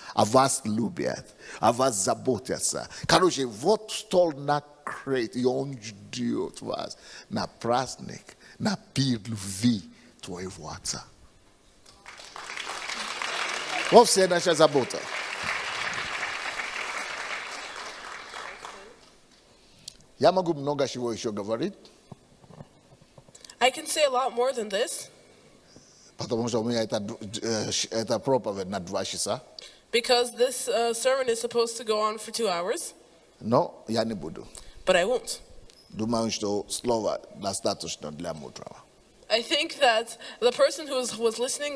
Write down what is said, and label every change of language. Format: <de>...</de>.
<ru>А вас любят, а вас заботятся. Короче, вот стол накрыт, и он ждет вас на праздник, на пир любви твоего отца. Вот вся наша забота. Я могу много чего еще говорить.</ru> <en>I can say a lot more than this.</en> <ru>Потому что у меня это проповедь на 2 часа.</ru> <en>Because this sermon is supposed to go on for 2 hours.</en> <ru>Но я не буду.</ru> <en>But I won't.</en> <ru>Думаю, что слова достаточно для мудрого.</ru> <en>I think that the person who was listening,</en>